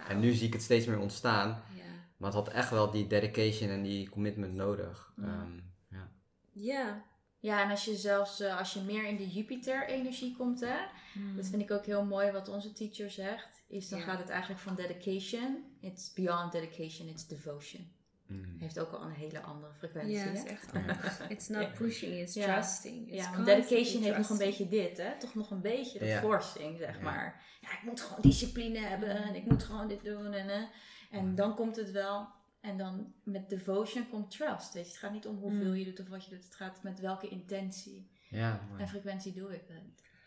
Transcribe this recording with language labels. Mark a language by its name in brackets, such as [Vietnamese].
[Dutch] En nu zie ik het steeds meer ontstaan. Maar het had echt wel die dedication en die commitment nodig. Ja, en als je zelfs als je meer in de Jupiter-energie komt, hè. Mm. Dat vind ik ook heel mooi wat onze teacher zegt. Is dan gaat het eigenlijk van dedication. [English] It's beyond dedication, it's devotion. [Dutch] Heeft ook al een hele andere frequentie. Ja, is echt. [English] It's not pushing, it's trusting. It's dedication trusting. [Dutch] Heeft nog een beetje dit, hè? Toch nog een beetje de forcing, zeg maar. Ja, ik moet gewoon discipline hebben en ik moet gewoon dit doen. En dan komt het wel. En dan met devotion komt trust. Weet je? Het gaat niet om hoeveel je doet of wat je doet. Het gaat met welke intentie en frequentie doe ik het.